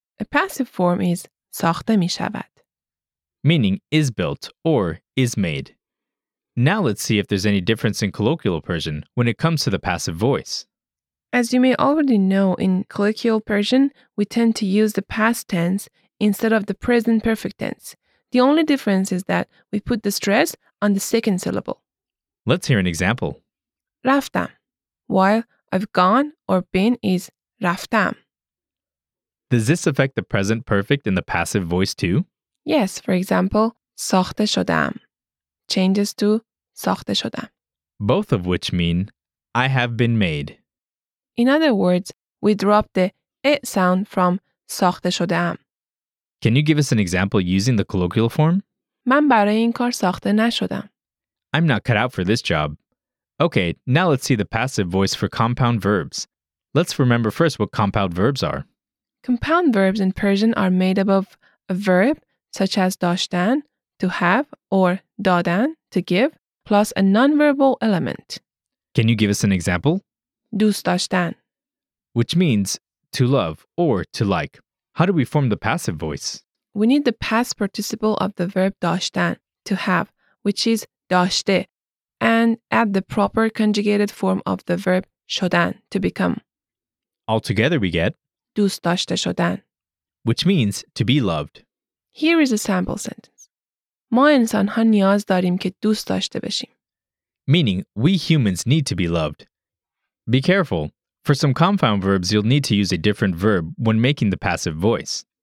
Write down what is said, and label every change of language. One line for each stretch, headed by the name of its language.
English: A passive form is
Persian: ساخته می شود.
English: Meaning, is built or is made. Now let's see if there's any difference in colloquial Persian when it comes to the passive voice. As you may already know, in colloquial Persian, we tend to use the past tense instead of the present perfect tense. The only difference is that we put the stress on the second syllable. Let's hear an example. رفتم. While I've gone or been is رفتم. Does this affect the present perfect in the passive voice too? Yes, for example,
Persian: ساخته شدم
English: changes to ساخته شدم. Both of which mean, I have been made. In other words, we drop the e sound from
Persian: ساخته شده ام.
English: Can you give us an example using the colloquial form?
Persian: من برای این کار ساخته نشدم.
English: I'm not cut out for this job. Okay, now let's see the passive voice for compound verbs. Let's remember first what compound verbs are. Compound verbs in Persian are made up of a verb, such as داشتن, to have, or دادن, to give, plus a nonverbal element. Can you give us an example?
Persian: دوست داشتن.
English: Which means to love or to like. How do we form the passive voice? We need the past participle of the verb داشتن, to have, which is داشته, and add the proper conjugated form of the verb شدن, to become. Altogether we get
Persian: دوست داشته شدن,
English: which means to be loved. Here is a sample sentence.
Persian: ما انسان ها نیاز داریم که دوست داشته بشیم.
English: Meaning, we humans need to be loved. Be careful. For some compound verbs, you'll need to use a different verb when making the passive voice.